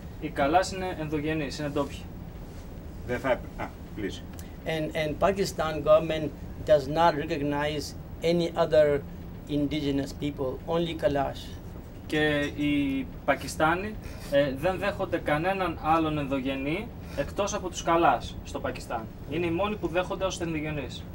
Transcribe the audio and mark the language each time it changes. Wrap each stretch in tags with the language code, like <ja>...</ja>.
<el>Οι Καλάς είναι ενδογενείς, είναι ντόπιοι. Δεν θα έπρεπε. Α, please.</el> <en>And Pakistan government does not recognize any other indigenous people, only Kalash.</en> <el>Και οι Πακιστάνοι δεν δέχονται κανέναν άλλον ενδογενή εκτός από τους Καλάς στο Πακιστάν. Είναι οι μόνοι που δέχονται ως ενδογενείς.</el>